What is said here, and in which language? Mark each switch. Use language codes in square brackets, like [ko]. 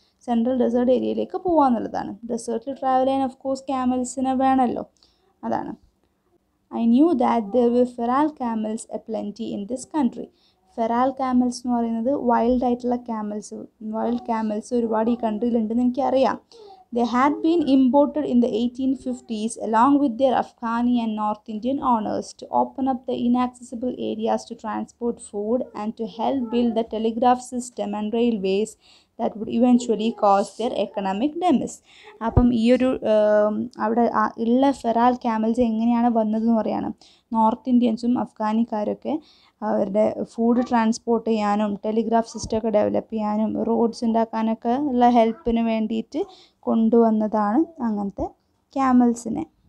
[ml] Central desert ഏരിയയിലേക്ക് പോകുക എന്നുള്ളതാണ്. ഡെസേർട്ടിൽ ട്രാവൽ ചെയ്യാൻ ഓഫ് കോഴ്സ് ക്യാമൽസിനെ വേണമല്ലോ. [en] അതാണ്, I knew that there were feral camels a plenty in this country. [ml] ഫെറാൽ camel's എന്ന് പറയുന്നത് വൈൽഡ് ആയിട്ടുള്ള ക്യാമൽസ്, വൈൽഡ് ക്യാമൽസ് ഒരുപാട് ഈ കൺട്രിയിലുണ്ടെന്ന് എനിക്കറിയാം. [en] They had been imported in the 1850s along with their Afghani and North Indian owners to open up the inaccessible areas to transport food and to help build the telegraph system and railways that would eventually cause their economic demise. [ml] അപ്പം ഈ ഒരു അവിടെ ഉള്ള ഫെറാൽ camel's എങ്ങനെയാണ് വന്നതെന്ന് പറയാണ്. North ഇന്ത്യൻസും അഫ്ഗാനിക്കാരൊക്കെ അവരുടെ ഫുഡ് ട്രാൻസ്പോർട്ട് ചെയ്യാനും ടെലിഗ്രാഫ് സിസ്റ്റമൊക്കെ ഡെവലപ്പ് ചെയ്യാനും റോഡ്സ് ഉണ്ടാക്കാനൊക്കെ ഉള്ള ഹെൽപ്പിന് വേണ്ടിയിട്ട് കൊണ്ടുവന്നതാണ് അങ്ങനത്തെ ക്യാമൽസിനെ.